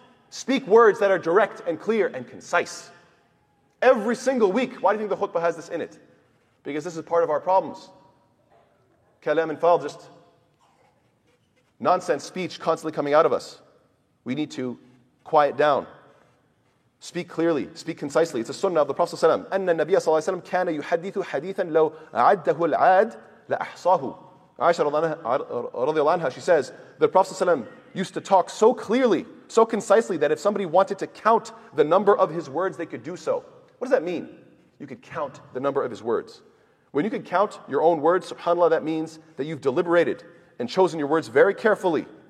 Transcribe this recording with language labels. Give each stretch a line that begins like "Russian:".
English: Speak words that are direct and clear and concise. Every single week. Why do you think the khutbah has this in it? Because this is part of our problems. Kalam and fal, just nonsense speech constantly coming out of us. We need to quiet down. Speak clearly, speak concisely. It's a sunnah of the Prophet ﷺ.
Arabic: أَنَّ النَّبِيَ صَلَّى اللَّهُ عَلَيْهِ وَسَلَّمَ كَانَ يُحَدِّثُ حَدِيثًا لَوْ عَدَّهُ الْعَادِ لَأَحْصَاهُ.
English: Aisha radiallahu anha, she says, the Prophet used to talk so clearly, so concisely, that if somebody wanted to count the number of his words, they could do so. What does that mean? You could count the number of his words. When you can count your own words, subhanAllah, that means that you've deliberated and chosen your words very carefully.